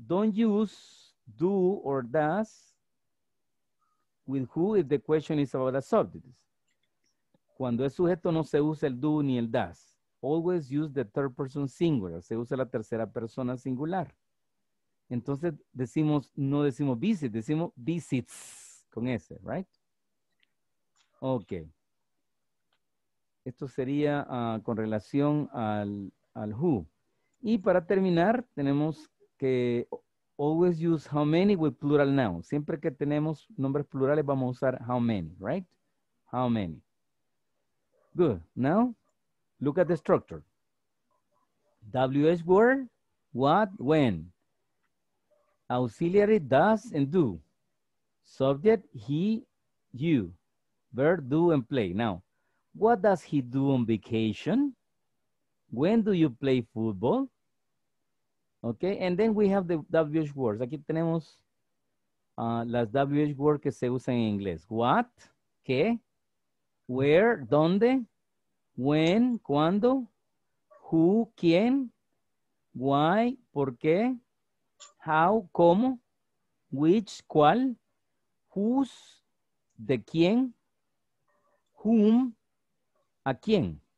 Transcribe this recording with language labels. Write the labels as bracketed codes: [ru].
[en] Don't use do or does with who if the question is about a subject. [es] Cuando es sujeto no se usa el do ni el does. [en] Always use the third person singular. [es] Se usa la tercera persona singular. Entonces decimos, no decimos visit, decimos visits con ese, right? Ok. Esto sería con relación al who. Y para terminar, tenemos que [en] always use how many with plural nouns. [es] Siempre que tenemos nombres plurales, vamos a usar how many, right? How many. Good. [en] Now, look at the structure. WH word, what, when. Auxiliary, does and do. Subject, he, you. Verb, do and play. Now, what does he do on vacation? When do you play football? Okay, and then we have the WH words. [es] Aquí tenemos las WH words que se usan en inglés. What, qué, where, dónde, when, cuándo, who, quién, why, por qué, how, cómo, which, cuál, whose, de quién, whom, a quién.